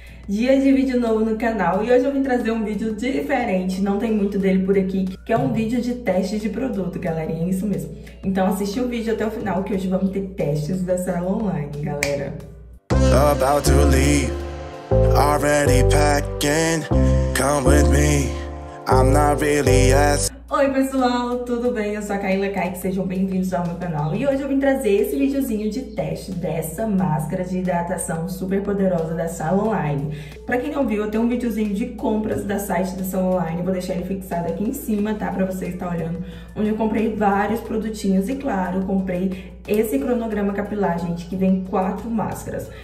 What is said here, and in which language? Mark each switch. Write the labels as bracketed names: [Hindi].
[Portuguese] Dia de vídeo novo no canal e hoje eu vim trazer um vídeo diferente, não tem muito dele por aqui, que é um vídeo de teste de produto, galerinha, é isso mesmo. Então assiste o vídeo até o final que hoje vamos ter testes da sala online, galera. [English] About to leave, already packing, come with me, I'm not really as... [Portuguese] Oi pessoal, tudo bem? Eu sou a Kaila Kaique, sejam bem-vindos ao meu canal. E hoje eu vim trazer esse videozinho de teste dessa máscara de hidratação super poderosa da Salon Line. Pra quem não viu, eu tenho um videozinho de compras da site da Salon Line, vou deixar ele fixado aqui em cima, tá? Pra vocês estarem olhando, onde eu comprei vários produtinhos e, claro, comprei esse cronograma capilar, gente, que vem 4 máscaras.